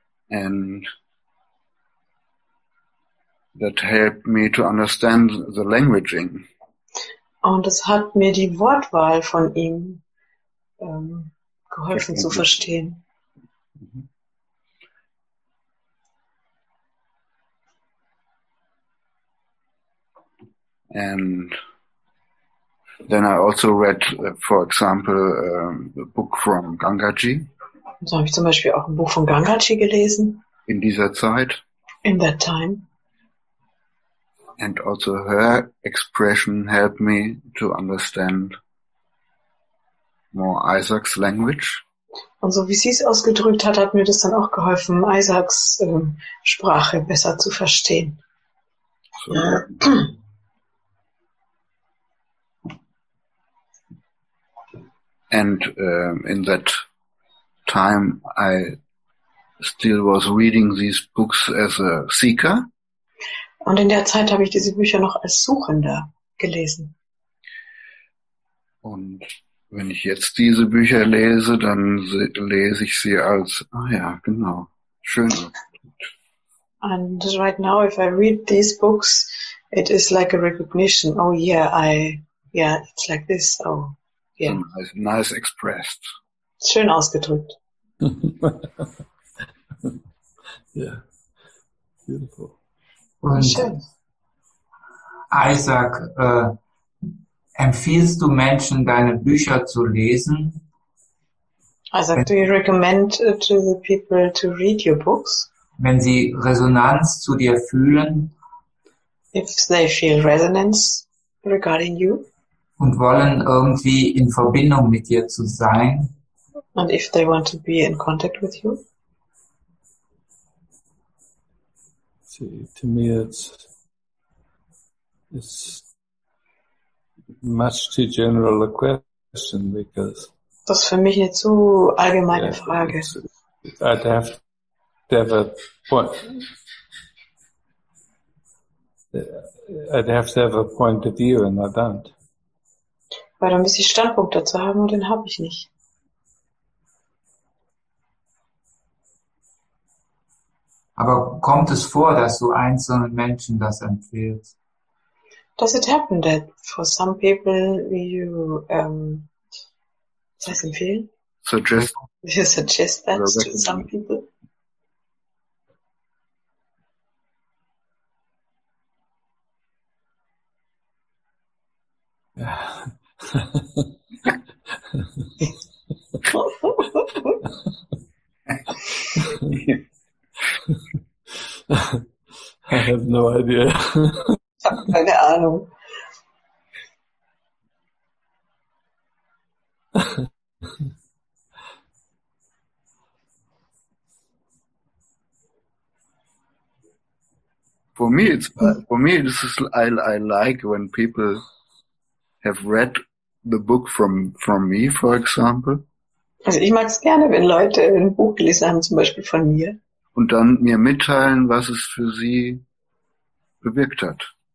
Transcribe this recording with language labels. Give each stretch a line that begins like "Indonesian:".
English: And that helped me to understand the languaging.
German: Und es hat mir die Wortwahl von ihm geholfen zu verstehen.
English: And then I also read, for example, a book from Gangaji.
German: So habe ich zum Beispiel auch ein Buch von Gangaji gelesen. In dieser Zeit.
English: In that time. And also her expression helped me to understand more Isaac's language.
German: Und so wie sie es ausgedrückt hat, hat mir das dann auch geholfen, Isaacs Sprache besser zu verstehen.
English: So. And in that time I still was reading these books as a seeker.
German: Und in der Zeit habe ich diese Bücher noch als Suchender gelesen. Und wenn ich jetzt diese Bücher lese, dann lese ich sie als, ah ja, genau, schön.
English: And right now, if I read these books, it is like a recognition. Oh yeah, it's like this. Oh yeah. Nice expressed.
German: Schön ausgedrückt.
English: Yeah, beautiful.
German: Und Isaac, empfiehlst du Menschen, deine Bücher zu lesen?
English: Isaac, do you recommend to the people to read your books?
German: Wenn sie Resonanz zu dir fühlen?
English: If they feel resonance regarding you?
German: Und wollen irgendwie in Verbindung mit dir zu sein?
English: And if they want to be in contact with you? See, to me it's much too general a question because
German: das ist für mich eine zu allgemeine Frage.
English: I'd have to have a point. I'd have to have a point of view, and I don't.
German: Weil dann müsste ich Standpunkt dazu haben, und den habe ich nicht. Aber kommt es vor, dass du einzelnen Menschen das empfiehlst?
English: Does it happen that for some people you doesn't feel? Suggest. You suggest that to some people? Yeah. I have no idea.
German: Keine Ahnung.
English: For me, this is I like when people have read the book from me, for example.
German: Also ich mag es gerne, wenn Leute ein Buch gelesen haben, zum Beispiel von mir. Und dann mir mitteilen, was es für sie bewirkt hat.